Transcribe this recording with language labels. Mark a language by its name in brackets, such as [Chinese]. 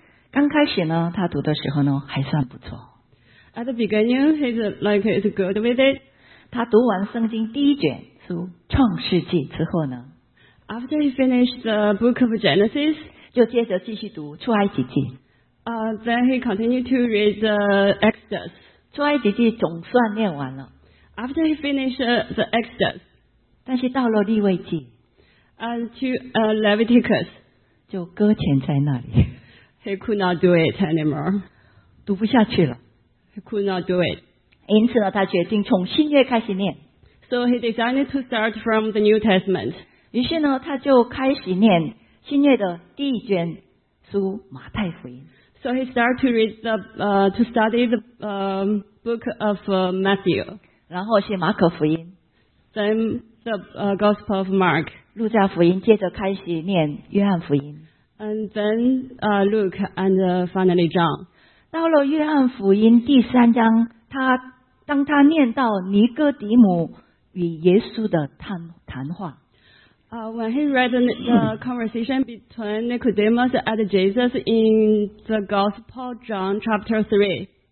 [Chinese] 刚开始呢，他读的时候呢还算不错。 [English] At the beginning, he's like is good with it. [Chinese] 他读完圣经第一卷书《创世纪》之后呢 [English] ，After he finished the book of Genesis, [Chinese] 就接着继续读《出埃及记》。 [English] Then he continued to read the Exodus. [Chinese] 出埃及记总算念完了。 [English] After he finished the Exodus, [Chinese] 但是到了利未记 [English] ，and to Leviticus, [Chinese] 就搁浅在那里。 [English] He could not do it anymore. [Chinese] 读不下去了。 [English] He could not do it. [Chinese] 因此呢，他决定从新约开始念。 [English] So he decided to start from the New Testament. [Chinese] 于是呢，他就开始念新约的第一卷书《马太福音》。 [English] So he started to read the to study the book of Matthew. [Chinese] 然后写马可福音。 [English] Then the Gospel of Mark. [Chinese] 路加福音，接着开始念约翰福音。 [English] And then Luke and finally John. [Chinese] 到了约翰福音第三章，当他念到尼哥底母与耶稣的谈话。 [English] When he read the conversation between Nicodemus and Jesus in the Gospel John chapter 3.